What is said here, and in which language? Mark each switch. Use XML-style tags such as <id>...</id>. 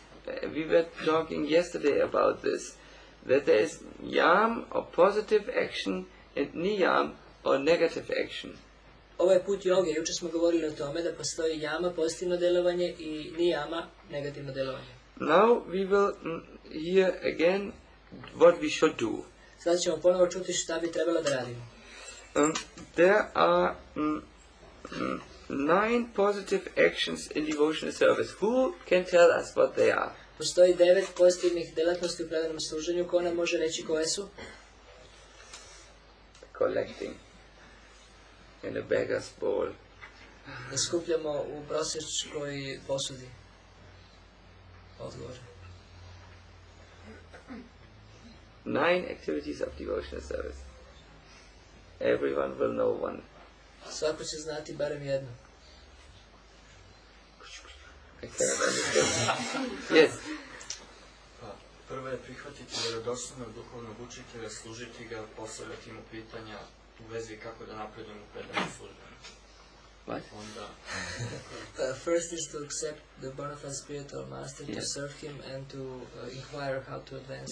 <en>We were talking yesterday about this. That there is yam or positive action and niyam or negative action.</en> <sr>Ovaj put joge, jučer smo govorili o tome da postoji yama, pozitivno djelovanje, i niyama, negativno djelovanje.</sr> <en>Now we will hear again what we should do.</en> <sr>Sada ćemo ponovo čuti šta bi trebalo da radimo.</sr> <en>There are 9 positive actions in devotional service. Who can tell us what they are?</en> <sr>Postoji 9 pozitivnih djelatnosti u predanom služenju. Ko nam može reći koje su?</sr> <en>Collecting in a beggar's bowl.</en> <sr>Da skupljamo u prosječkoj posudi. Odgovor.</sr> <en>9 activities of devotional service. Everyone will know one.</en> <sr>Svako će znati barem jedno.</sr> <en>Yes.</en> <sr>Prvo je prihvatiti vjerodostojnog duhovnog učitelja, služiti ga, postavljati mu pitanja u vezi kako da napredujem u predanju službe.</sr> <en>What?</en> <sr>Onda.</sr> <en>First is to accept the bona fide spiritual master, yes, to serve him and to inquire how to advance.</en>